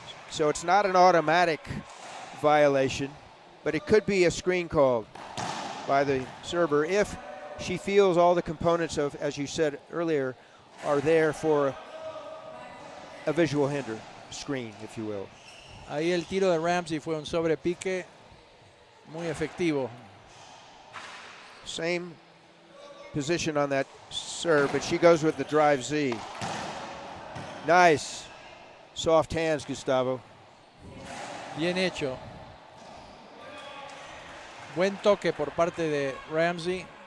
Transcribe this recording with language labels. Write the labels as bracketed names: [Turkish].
[English] So it's not an automatic violation, but it could be a screen call by the server if she feels all the components of, as you said earlier, are there for a visual hinder, screen, if you will. [Spanish] Ahí el tiro de Ramsay fue un sobrepique muy efectivo. [English] Same position on that serve, but she goes with the drive Z. Nice. Soft hands, Gustavo. [Spanish] Bien hecho. Buen toque por parte de Ramsay.